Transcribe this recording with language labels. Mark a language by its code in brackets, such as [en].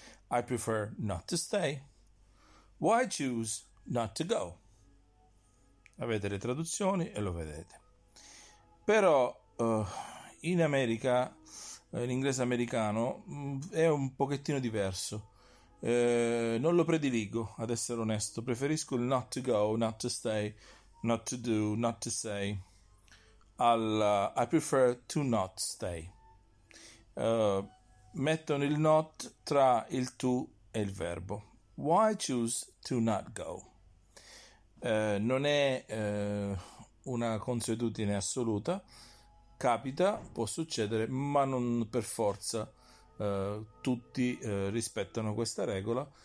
[en] I prefer not to stay. Why choose not to go? [it] Avete le traduzioni e lo vedete. Però in America, l'inglese americano è un pochettino diverso. Non lo prediligo, ad essere onesto. Preferisco il [en] not to go, not to stay, not to do, not to say. I prefer to not stay. [it] Mettono il not tra il to e il verbo. [en] Why choose to not go? [it] Non è una consuetudine assoluta. Capita, può succedere, ma non per forza tutti rispettano questa regola.